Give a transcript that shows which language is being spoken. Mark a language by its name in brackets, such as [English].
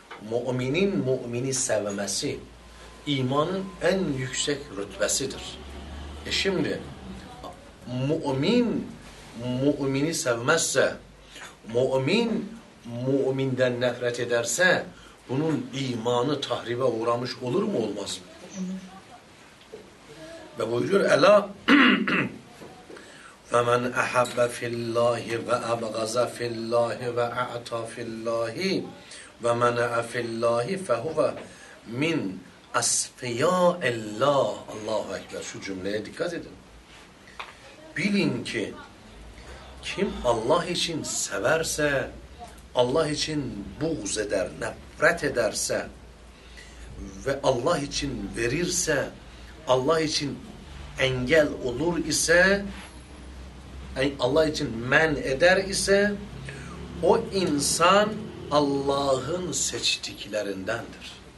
[Turkish] Müminin mümini sevmesi imanın en yüksek rütbesidir. E şimdi mümin mümini sevmezse, mümin müminden nefret ederse bunun imanı tahribe uğramış olur mu olmaz mı? Ve buyuruyor [Arabic] Ela فَمَنْ اَحَبَّ فِي اللّٰهِ وَاَبْغَزَ فِي اللّٰهِ وَاَعْتَى فِي اللّٰهِ وَمَنَعَ فِي اللّٰهِ فَهُوَ مِنْ اَسْفِيَاءِ اللّٰهِ Allahu Ekber. [Turkish] Şu cümleye dikkat edin. Bilin ki kim Allah için severse, Allah için buğz eder, nefret ederse ve Allah için verirse, Allah için engel olur ise, Allah için men eder ise, o insan Allah'ın seçtiklerindendir.